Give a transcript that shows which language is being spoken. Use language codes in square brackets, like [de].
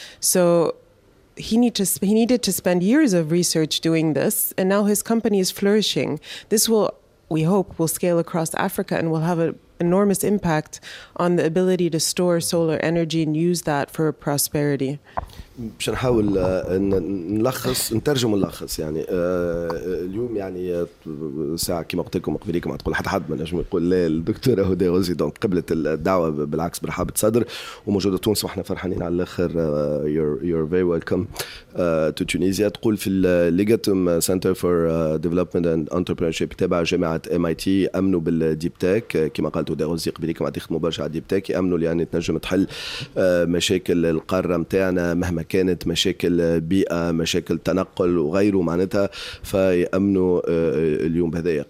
[en] So he needed to spend years of research doing this, and now his company is flourishing. This will, we hope, will scale across Africa and will have an enormous impact on the ability to store solar energy and use that for prosperity. [ar] باش نحاول نلخص نترجم ونلخص يعني اليوم يعني ساعة كما قلت لكم قبليك ما تقول حد ما نجم يقول لا الدكتورة هدى غوزي دونك قبلت الدعوة بالعكس برحابة صدر وموجودة تونس وحنا فرحانين على الاخر. [en] You're very welcome to Tunisia. [ar] تقول في الليجاتوم سنتر فور ديفلوبمنت اند انتربرينورشيب تبع جامعة MIT امنوا بالديب تك كما قالت هدى غوزي قبليك ما تخدموا برشا على الديب تك امنوا يعني تنجم تحل مشاكل القارة متاعنا مهما كانت مشاكل بيئة مشاكل تنقل وغيره معناتها فيأمنوا اليوم بهذا.